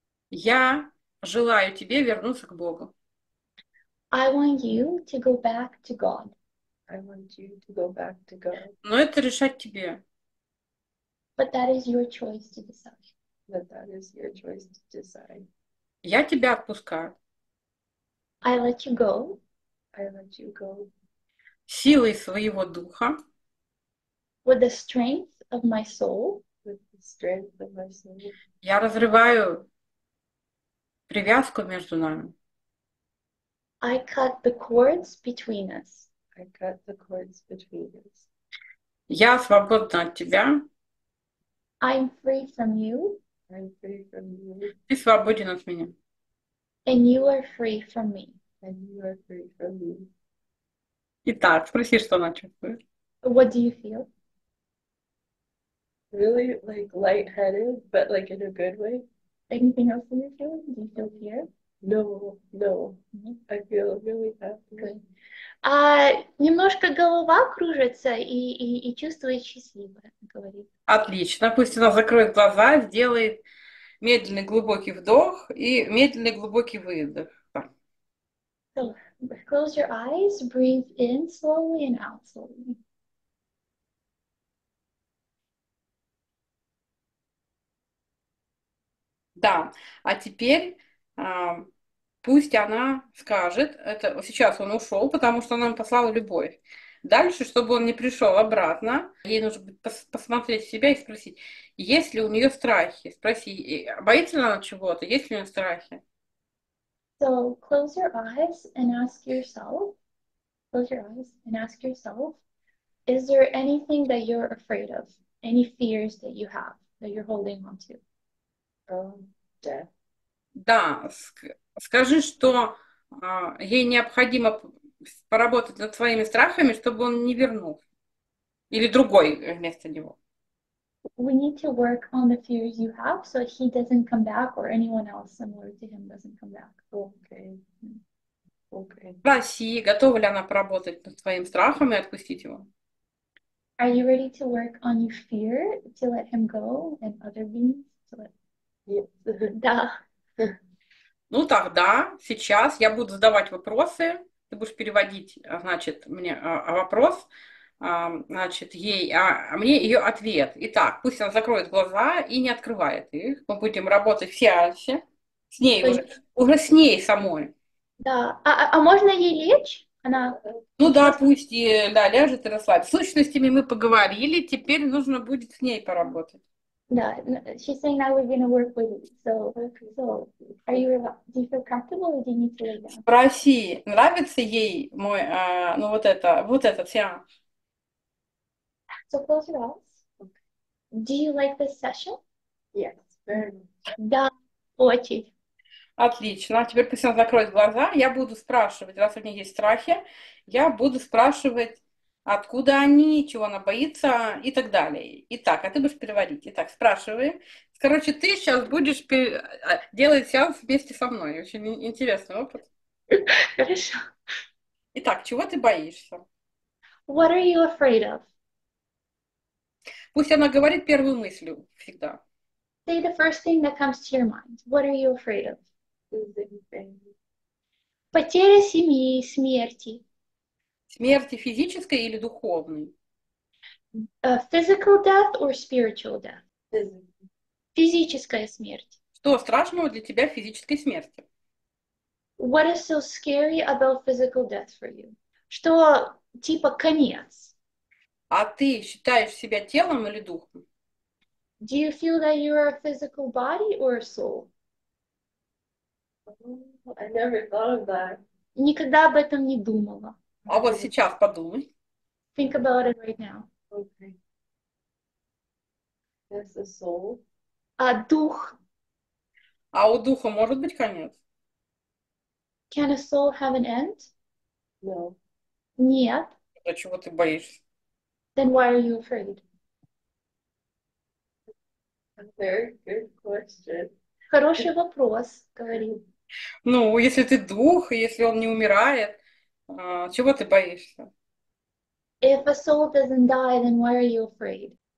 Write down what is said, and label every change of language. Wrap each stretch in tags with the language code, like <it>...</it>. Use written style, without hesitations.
<ru>Я желаю тебе вернуться к Богу.</ru> <en>I want you to go back to God. I want you to go back to God.</en> <ru>Но это решать тебе.</ru> <en>But that is your choice to decide. But that is your choice to decide.</en> <ru>Я тебя отпускаю.</ru> <en>I let you go. I let you go.</en> <ru>Силой своего духа.</ru> <en>With the strength of my soul. With the strength of my soul.</en> <ru>Я разрываю привязку между нами.</ru> <en>I cut the cords between us. I cut the cords between us.</en> <ru>Я свободна от тебя.</ru> <en>I'm free from you. I'm free from you.</en> <ru>Ты свободен от меня.</ru> <en>And you are free from me. And you are free from me.</en> <ru>Итак, спроси, что она чувствует.</ru> <en>What do you feel? Really, like, lightheaded, but, like, in a good way. Anything else you're feeling? Do you feel fear? No. I feel really happy. Good.</en> <ru>Немножко голова кружится и чувствует счастливое, говорит. Отлично. Пусть она закроет глаза, сделает медленный глубокий вдох и медленный глубокий выдох.</ru> <en>So, close your eyes, breathe in slowly and out slowly.</en> <ru>Да, а теперь пусть она скажет, это сейчас он ушел, потому что она послала любовь. Дальше, чтобы он не пришел обратно, ей нужно посмотреть в себя и спросить, есть ли у нее страхи. Спроси, боится ли она чего-то, есть ли у нее страхи.</ru> <en>So close your eyes and ask yourself. Close your eyes and ask yourself, is there anything that you're afraid of? Any fears that you have, that you're holding on to? Death.</en> <ru>Да, скажи, что ей необходимо поработать над своими страхами, чтобы он не вернулся. Или другой вместо него.</ru> <en>We need to work on the fears you have, so he doesn't come back, or anyone else similar to him doesn't come back. Okay.</en> <ru>Спроси, готова ли она поработать над своим страхом и отпустить его.</ru> <en>Are you ready to work on your fear to let him go and other beings to let</en> <ru>Да. Ну тогда, сейчас я буду задавать вопросы. Ты будешь переводить, значит, мне вопрос, значит, ей, а мне ее ответ. Итак, пусть она закроет глаза и не открывает их. Мы будем работать в сеансе. С ней уже с ней самой. Да. А можно ей лечь? Она Ну да, сейчас. пусть и да, ляжет и расслабится. С сущностями мы поговорили, теперь нужно будет с ней поработать. Да,</ru> <en>she's saying that we're gonna work with you. So, are you, do you feel comfortable or do you need to lay down?</en> <ru>Спроси, нравится ей мой, ну вот этот сеанс.</ru> <en>So close your eyes. Do you like this session? Yes, very much.</en> <ru>Да, очень. Отлично. Теперь пусть он закроет глаза. Я буду спрашивать, раз у нее есть страхи, я буду спрашивать, откуда они, чего она боится и так далее. Итак, а ты будешь переводить. Итак, спрашивай. Короче, ты сейчас будешь делать сеанс вместе со мной. Очень интересный опыт. Хорошо. Итак, чего ты боишься?</ru> <en>What are you afraid of?</en> <ru>Пусть она говорит первую мыслью всегда.</ru> <en>Say the first thing that comes to your mind. What are you afraid of?</en> <ru>Потеря семьи, смерти. Смерти физической или духовной?</ru> <en>Physical death or spiritual death?</en> <ru>Физическая смерть. Что страшного для тебя в физической смерти?</ru> <en>What is so scary about physical death for you?</en> <ru>Что типа конец? А ты считаешь себя телом или духом?</ru> <en>Do you feel that you are a physical body or a soul? I never thought of that.</en> <ru>Никогда об этом не думала. А вот сейчас подумай.</ru> <en>Think about it right now. Okay. That's the soul.</en> <ru>А дух? А у духа может быть конец?</ru> <en>Can a soul have an end? No.</en> <ru>Нет. А чего ты боишься?</ru> <en>Then why are you afraid? Very good question.</en> <ru>Хороший вопрос, говорю. Ну, если ты дух, если он не умирает, чего ты боишься?</ru> <en>If a soul doesn't die, then why are you afraid?</en>